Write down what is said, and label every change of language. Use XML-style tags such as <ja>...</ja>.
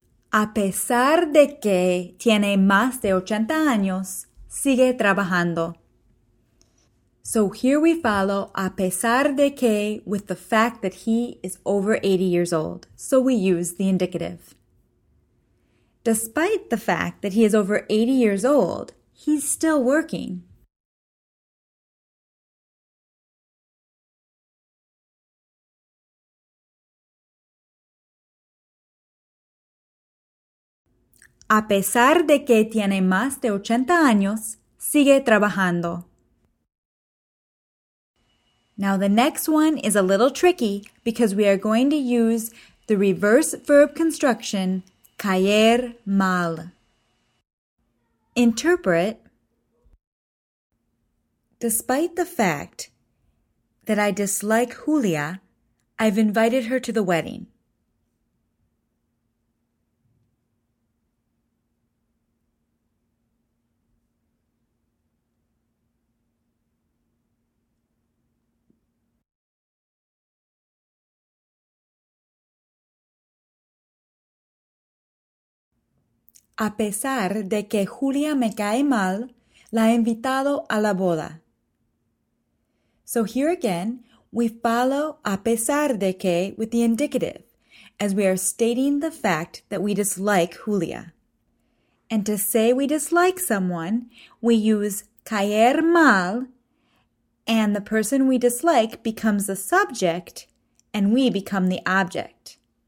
<es>A pesar de que tiene más de 80 años, sigue trabajando.</es> <en>So here we follow a pesar de que with the fact that he is over 80 years old. So we use the indicative. Despite the fact that he is over 80 years old, he's still working.</en> <es>A pesar de que tiene más de 80 años, sigue trabajando.</es> <en>Now the next one is a little tricky because we are going to use the reverse verb construction, caer mal. Interpret, despite the fact that I dislike Julia, I've invited her to the wedding.</en> <es>A pesar de que Julia me cae mal, la he invitado a la boda.</es> <en>So here again, we follow a pesar de que with the indicative, as we are stating the fact that we dislike Julia. And to say we dislike someone, we use caer mal, and the person we dislike becomes the subject, and we become the object.</en>